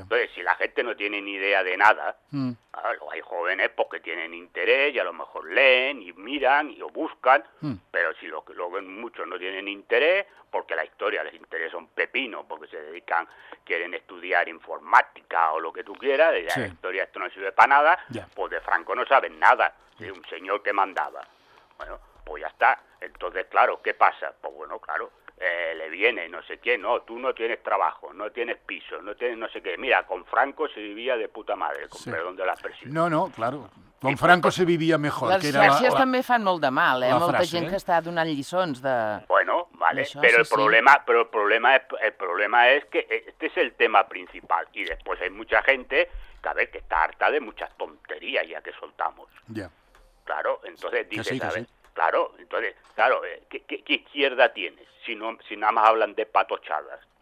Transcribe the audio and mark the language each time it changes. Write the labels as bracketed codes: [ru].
[es] Entonces, si la gente no tiene ni idea de nada, claro, hay jóvenes pues, que tienen interés y a lo mejor leen y miran y lo buscan, pero si lo ven muchos no tienen interés, porque la historia les interesa un pepino, porque se dedican, quieren estudiar informática o lo que tú quieras, y la historia esto no sirve para nada, pues de Franco no saben nada, de un señor que mandaba. Bueno, pues ya está. Entonces, claro, ¿qué pasa? Pues bueno, claro. Le viene no sé qué, no, tú no tienes trabajo, no tienes piso, no tienes no sé qué. Mira, con Franco se vivía de puta madre, con perdón de la expresión. No, no, claro, con Franco se vivia millor. [ca] Les xarxes també fan molt de mal, molta gent que està donant lliçons de... [es] Bueno, ¿vale? Eso, pero, sí, el problema es que este es el tema principal. Y después hay mucha gente que, a ver, que está harta de muchas tonterías ya que soltamos. Ya. Yeah. Claro, entonces dices, sí, a ver, sí. Claro, entonces, claro, ¿qué izquierda tienes si nada más hablan de patochadas?